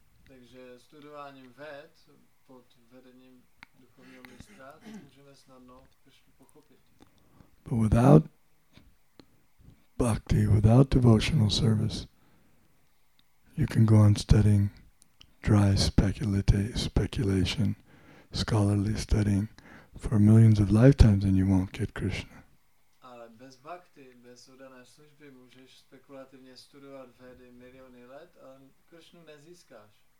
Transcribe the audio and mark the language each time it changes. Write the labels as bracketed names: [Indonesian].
[Czech] Takže studováním ved pod vedením duchovního mistra můžeme snadno Krishnu pochopit. [English] But without bhakti, without devotional service, you can go on studying dry speculation, scholarly studying for millions of lifetimes and you won't get Krishna. [Czech] Ale bez bhakti, bez udané služby můžeš spekulativně studovat vedy miliony let, ale Krishnu nezískáš.